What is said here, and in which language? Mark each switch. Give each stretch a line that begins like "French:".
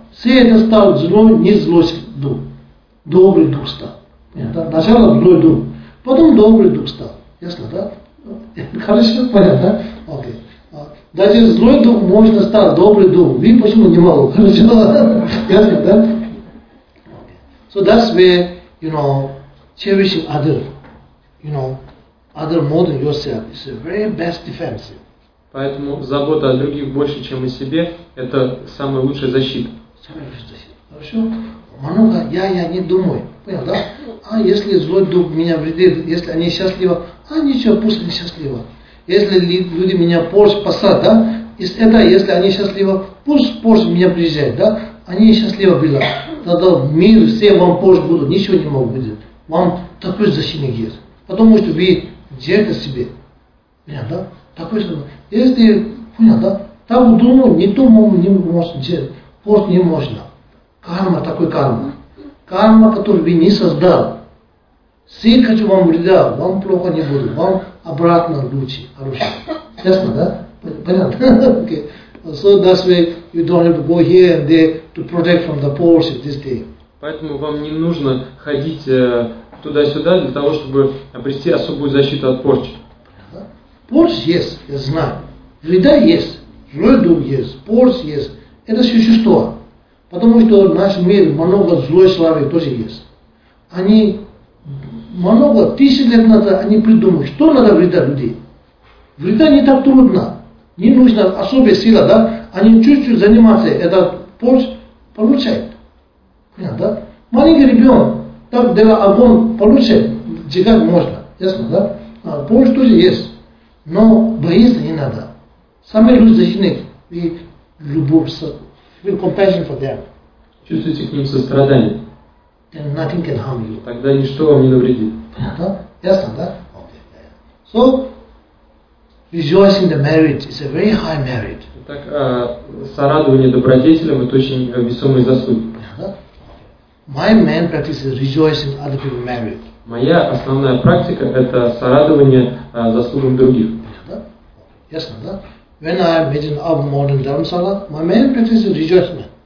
Russian: Все это стал злой, не злой дух. Добрый дух стал. Сначала злой дух, потом добрый дух стал. Ясно, да? Хорошо, понятно, да? Окей. Даже злой дух можно стать добрый дух. Вы почему не могу? Хорошо? Ясно, да?
English: So that's where, you know, cherishing other, you know, other more than yourself is the very best defense.
Russian: Поэтому забота о других больше, чем о себе, это самая лучшая защита. Самая лучшая защита. Хорошо? Много я не думаю. Понял, да? А если злой дух меня вредит, если они счастливы, а ничего, пусть они счастливы. Если люди меня порчат, спасают, да? Это если они счастливы, пусть порча меня приезжает, да? Они счастливы были. Тогда мир, все вам порча будут, ничего не могут быть. Вам такой защитник есть. Потому что вы жертвы себе. Понял, да? Такой же. Если, понял, да? Так думаю, не думаю, не может, порча не можно. Карма, такой карма. Карма, которую вы не создал. Все хочу вам вреда, вам плохо не будет, вам обратно лучше, хорошо. Ясно, да? Понятно? Okay.
English: So that's why you don't have to go here and there to protect from the Porsche this day.
Russian: Поэтому вам не нужно ходить туда-сюда для того, чтобы обрести особую защиту от порчи. Порча есть, я знаю. Вреда есть, злой дух есть, порча есть. Это существо. Потому что в нашем мире много злой славы тоже есть. Они много тысяч лет назад они придумали, что надо вреда людей. Вреда не так трудно. Не нужна особая сила, да? Они чуть-чуть занимаются, это порч получает. Понятно, да? Маленький ребенок, так дело огонь получает, сжигать можно. Ясно, да? А порч тоже есть. Но боиться не надо. Самые люди защитники и любовь.
English: Feel compassion for them.
Russian: Чувствуйте к ним сострадание.
English: Then nothing can harm you.
Russian: Тогда ничто вам не навредит. Понятно? Ясно, да? Okay.
English: So, rejoicing the marriage is a very high merit.
Russian: Так, сорадование добродетелям это очень весомые заслуги.
English: My main practice is rejoicing other people's merit.
Russian: Моя основная практика это сорадование заслугам других. Понятно? Ясно, да?
English: When I meditate up morning Dharamsala, my main practice is rejoicing.